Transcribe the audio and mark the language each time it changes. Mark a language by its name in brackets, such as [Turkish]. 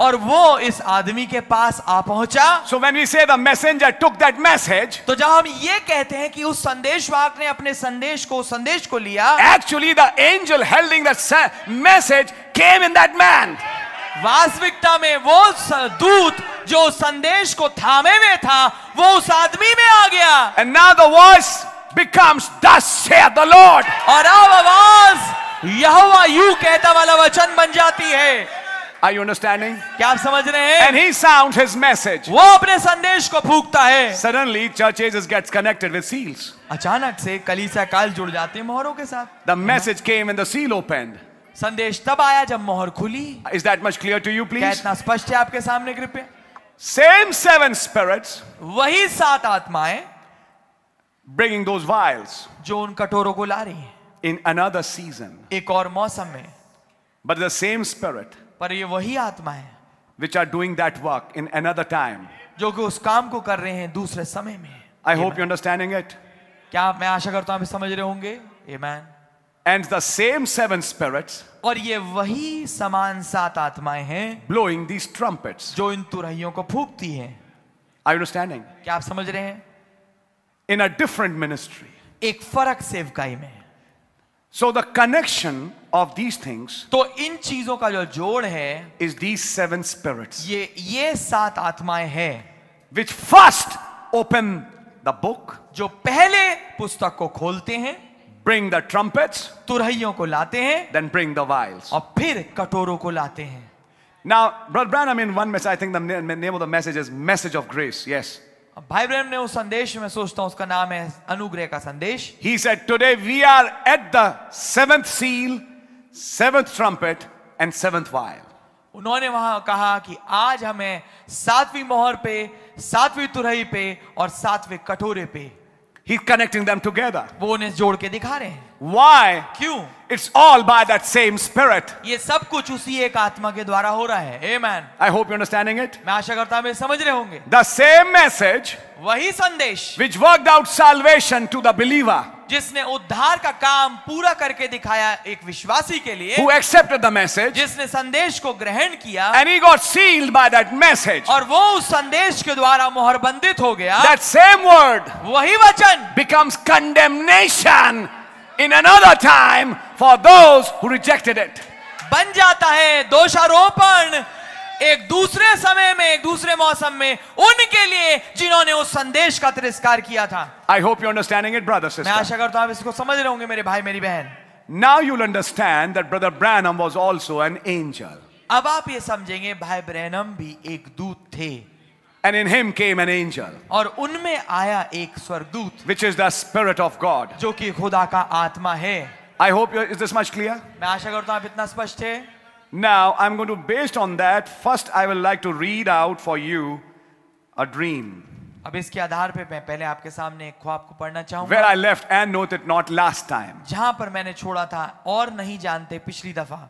[Hindi] और वो इस आदमी के पास आ पहुंचा. [English] So when we say the messenger took that message, [Hindi] तो जब हम ये कहते हैं कि उस संदेशवाहक ने अपने संदेश को लिया, [English] actually the angel holding that message came in that man. [Hindi] वास्तविकता में वो दूत जो संदेश को थामे हुए था वो उस आदमी में आ गया. [English] And now the voice becomes, thus saith the Lord. [Hindi] और अब आवाज यहोवा यू कहता वाला वचन बन जाती है. [English] Are you understanding? [Hindi] क्या आप समझ रहे हैं? [English] And he sounds his message. [Hindi] वो अपने संदेश को फूंकता है. [English] Suddenly churches gets connected with seals. [Hindi] अचानक से कलीसिया काल जुड़ जाते हैं मोहरों के साथ. [English] The message came and the seal opened. [Hindi] संदेश तब आया जब मोहर खुली. [English] Is that much clear to you, please? [Hindi] क्या इतना स्पष्ट है आपके सामने कृपया? [English] Same seven spirits. [Hindi] वही सात आत्माएं. [English] Bringing those vials. [Hindi] जो उन कटोरों को ला रही है. [English] In another season, [Hindi] एक और मौसम में, [English] but the same spirit, [Hindi] पर ये वही आत्मा है, [English] which are doing that work in another time, [Hindi] जो कि उस काम को कर रहे हैं दूसरे समय में. [English] I hope you're understanding it. [Hindi] क्या मैं आशा करता हूँ आप समझ रहे होंगे? [English] Amen. And the same seven spirits, [Hindi] और ये वही समान सात आत्माएं हैं, [English] blowing these trumpets, [Hindi] जो इन तुरहियों को फूंकती हैं. [English] Are you understanding? [Hindi] क्या आप समझ रहे हैं? [English] In a different ministry, [Hindi] एक फर्क सेवकाई में. [English] So the connection of these things, [Hindi] तो इन चीजों का जो जोड़ है, [English] is these seven spirits, [Hindi] ये सात आत्माएं हैं, [English] which first open the book, [Hindi] जो पहले पुस्तक को खोलते हैं, [English] bring the trumpets, [Hindi] तुरहियों को लाते हैं, [English] then bring the vials, [Hindi] और फिर कटोरों को लाते हैं. [English] Now, Brother Branham, in one message, I think the name of the message is Message of Grace. Yes. [Hindi] भाई ब्रह्म ने उस संदेश में सोचता हूं उसका नाम है अनुग्रह का संदेश. [English] He said, today we are at the seventh seal, seventh trumpet, and seventh vial. [Hindi] उन्होंने वहां कहा कि आज हमें सातवीं मोहर पे, सातवीं तुरही पे और सातवें कटोरे पे. [English] He's connecting them together. [Hindi] वो उन्हें जोड़ के दिखा रहे हैं. [English] Why? [Hindi] क्यों? [English] It's all by that same spirit. [Hindi] ये सब कुछ उसी एक आत्मा के द्वारा हो रहा है. [English] Amen. I hope you're understanding it. [Hindi] मैं आशा करता हूँ समझ रहे होंगे. [English] The same message. [Hindi] वही संदेश. [English] Which worked out salvation to the believer. [Hindi] जिसने उद्धार का काम पूरा करके दिखाया एक विश्वासी के लिए. [English] Who accepted the message? [Hindi] जिसने संदेश को ग्रहण किया. [English] And he got sealed by that message. [Hindi] और वो उस संदेश के द्वारा मोहरबंदित हो गया. [English] That same word. [Hindi] वही वचन. [English] Becomes condemnation in another time for those who rejected it. [Hindi] बन जाता है दोषारोपण एक दूसरे समय में एक दूसरे मौसम में उनके लिए जिन्होंने उस संदेश का तिरस्कार किया था. [English] I hope you're understanding it, brother, sister. [Hindi] मैं आशा करता हूँ आप इसको समझ रहे होंगे मेरे भाई मेरी बहन. [English] Now you'll understand that Brother Branham was also an angel. [Hindi] अब आप ये समझेंगे भाई ब्रैनम भी एक दूत थे. [English] And in him came an angel. [Hindi] और उनमें आया एक स्वर्गदूत. [English] Which is the spirit of God. [Hindi] जो कि खुदा का आत्मा है. [English] I hope you're, is this much clear? [Hindi] मैं आशा करता हूँ आप इतना स्पष्ट है. [English] Now I'm going to, based on that, first I will like to read out for you a dream. [Hindi] अब इसके आधार पे मैं पहले आपके सामने एक ख्वाब को पढ़ना चाहूँगा. [English] Where I left and note it not last time. [Hindi] जहाँ पर मैंने छोड़ा था और नहीं जानते पिछली दफा.